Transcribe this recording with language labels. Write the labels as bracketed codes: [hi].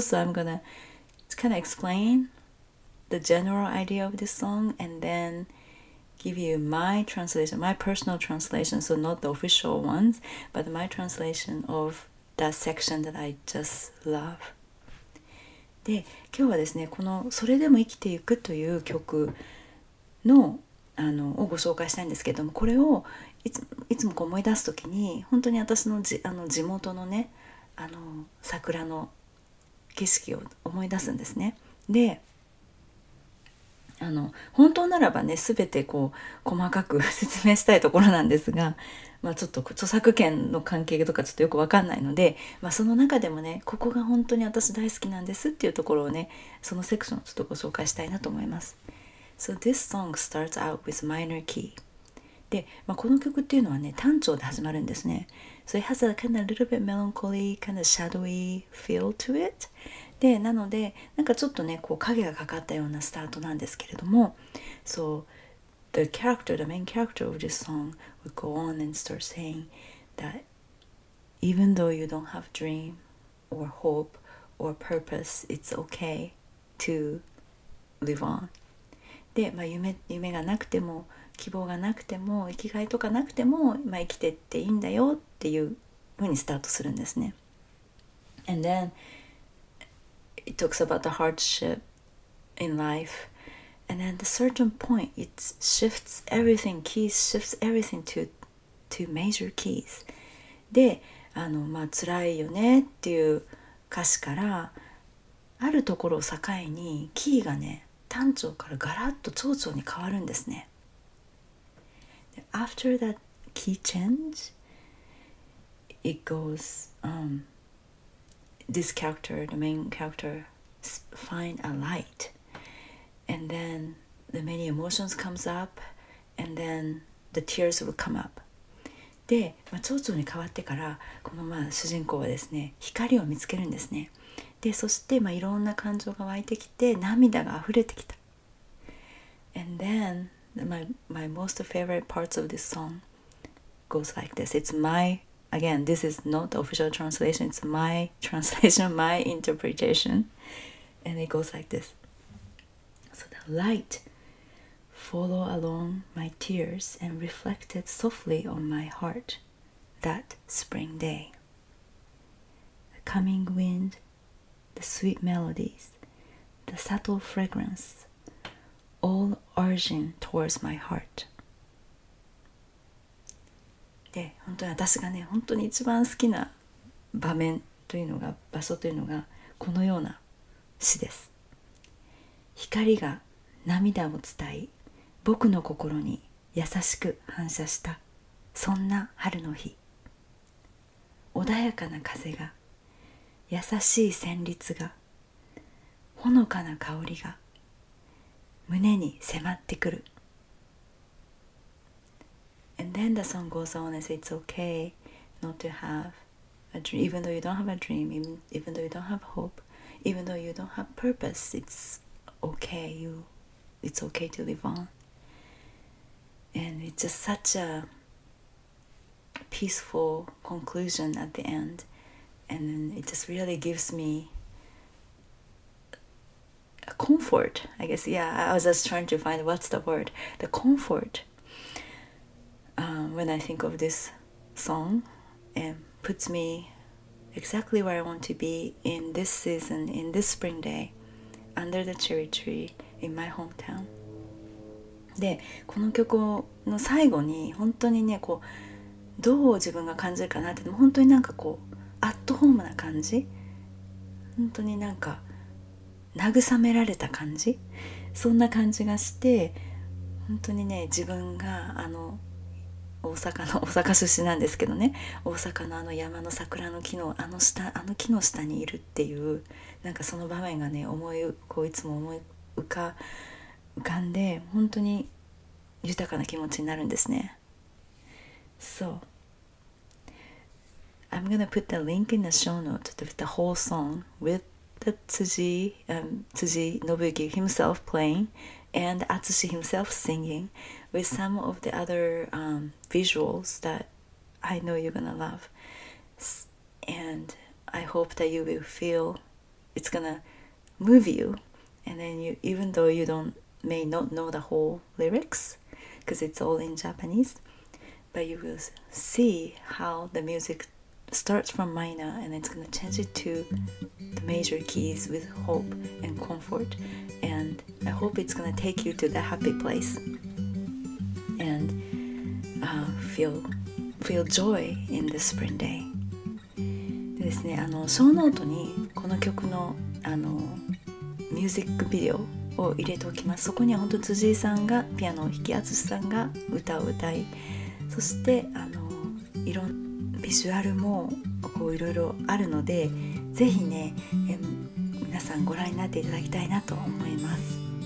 [en] So I'm gonna kind of explain the general idea of this song and then... give you my translation, my personal translation, so not the official ones, but my translation of that section that I just love. [ja] で、今日はですね、このそれでも生きていくという曲の、をご紹介したいんですけども、これをいつもこう思い出すときに、本当に私の地元のね、桜の景色を思い出すんですね。で、本当ならばね、すべてこう細かく説明したいところなんですが、まあ、ちょっと著作権の関係とかちょっとよくわかんないので、まあ、その中でもね、ここが本当に私大好きなんですっていうところをね、そのセクションをちょっとご紹介したいなと思います。 [en] So this song starts out with minor key. [ja] で、まあ、この曲っていうのはね、単調で始まるんですね。 [en] So it has a kind of little bit melancholy, kind of shadowy feel to it. [ja] で、なのでなんかちょっとね、こう影がかかったようなスタートなんですけれども、 [en] So the character, the main character of this song would go on and start saying that even though you don't have dream or hope or purpose, it's okay to live on. [ja] で、まあ、夢がなくても、希望がなくても、生きがいとかなくても、まあ、生きてっていいんだよっていうふうにスタートするんですね。 [en] And thenIt talks about the hardship in life. And at a certain point, it shifts everything, keys shifts everything to major keys. [ja] で、まあ、辛いよねっていう歌詞から、あるところを境に、キーがね、単調からガラッと長々に変わるんですね。 [en] After that key change, it goes... This character, the main character, find a light, and then the many emotions comes up, and then the tears will come up. [ja] で、まあ、蝶々に変わってから、このまあ主人公はですね、光を見つけるんですね。で、そしてまあいろんな感情が湧いてきて、涙が溢れてきた。 [en] And then my most favorite parts of this song goes like this. It's myAgain, this is not the official translation. It's my translation, my interpretation. And it goes like this. So the light follow along my tears and reflected softly on my heart that spring day. The coming wind, the sweet melodies, the subtle fragrance, all urging towards my heart. [ja] で、本当に私がね、本当に一番好きな場面というのが、場所というのが、このような詩です。光が涙を伝い、僕の心に優しく反射した、そんな春の日。穏やかな風が、優しい旋律が、ほのかな香りが、胸に迫ってくる。 [en] And then the song goes on and says it's okay not to have a dream, even though you don't have a dream, even though you don't have hope, even though you don't have purpose, it's okay to live on. And it's just such a peaceful conclusion at the end. And then it just really gives me a comfort, I guess. Yeah, I was just trying to find what's the word, the comfort. When I think of this song, it puts me exactly where I want to be in this season, in this spring day, under the cherry tree in my hometown. [ja] で、この曲の最後に本当にね、こうどう自分が感じるかなって、本当になんかこうアットホームな感じ、本当になんか慰められた感じ、そんな感じがして、本当にね、自分があの大阪出身なんですけどね、大阪のあの山の桜の木のあの下、あの木の下にいるっていう、なんかその場面がね、思い、こういつも思い浮かんで、本当に豊かな気持ちになるんですね。 [en] So, I'm gonna put the link in the show notes to the whole song with the Tsuji Nobuyuki himself playing and Atsushi himself singing with some of the other visuals that I know you're gonna love. And I hope that you will feel it's gonna move you. And then you, even though you don't, may not know the whole lyrics, because it's all in Japanese, but you will see how the music starts from minor and it's gonna change it to the major keys with hope and comfort. And I hope it's gonna take you to the happy place and feel joy in the spring day. [ja] でですね、あのショーノートにこの曲のあのミュージックビデオを入れておきます。そこには本当辻井さんがピアノを弾き、淳さんが歌を歌い、そしてあのいろんなビジュアルもこういろいろあるので、ぜひね、皆さんご覧になっていただきたいなと思います。